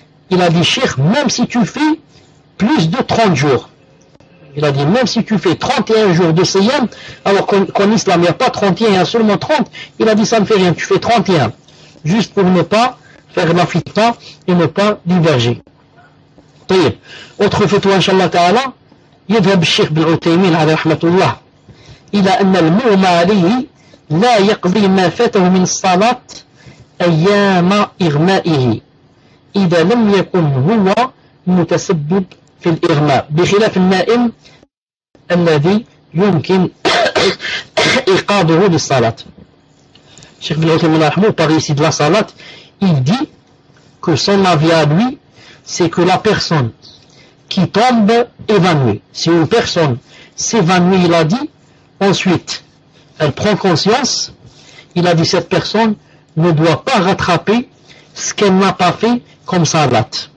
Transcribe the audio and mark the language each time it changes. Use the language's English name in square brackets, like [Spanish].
[French] Il a dit, cheikh, même si tu fais plus de 30 jours, il a dit, même si tu fais 31 jours de siyam, alors qu'en islam, il n'y a pas 31, il y a seulement 30, il a dit, ça ne fait rien, tu fais 31, juste pour ne pas faire la fitna et ne pas diverger. Okay. [Arabic] Autre fatwa, inshallah ta'ala, يذهب الشيخ بن عثيمين على رحمة الله إلى أن المغمى عليه لا يقضي ما فاته من الصلاة أيام إغمائه إذا لم يكن هو متسبب في الإغماء بخلاف النائم الذي يمكن إيقاظه للصلاة. [French] الشيخ بن عثيمين رحمه الله parle ici de la salat. Il dit que son avis à lui c'est que la personne qui tombe évanouie. Si une personne s'évanouit, il a dit, ensuite, elle prend conscience, il a dit, cette personne ne doit pas rattraper ce qu'elle n'a pas fait comme salat.